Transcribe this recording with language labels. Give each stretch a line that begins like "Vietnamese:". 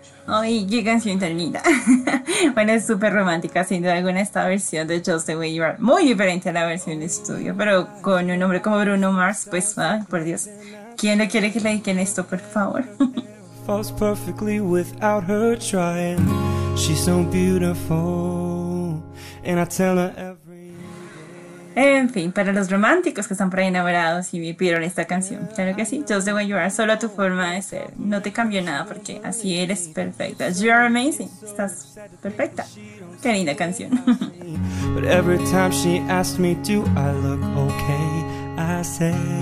Spanish: Ay, qué canción tan linda. Bueno, es súper romántica, sin duda alguna, esta versión de Just the Way You Are. Muy diferente a la versión de estudio, pero con un hombre como Bruno Mars, pues, ay, por Dios. ¿Quién no quiere que le dediquen esto, por favor?
English: Falls perfectly without her trying. She's so beautiful, and I tell her every.
Spanish: En fin, para los románticos que están por ahí enamorados y me pidieron esta canción, claro que sí, Just the Way You Are, solo a tu forma de ser, no te cambio nada porque así eres perfecta.
English: You are amazing,
Spanish: estás perfecta. Qué linda canción.
English: But every time she asked me, do I look okay, I say.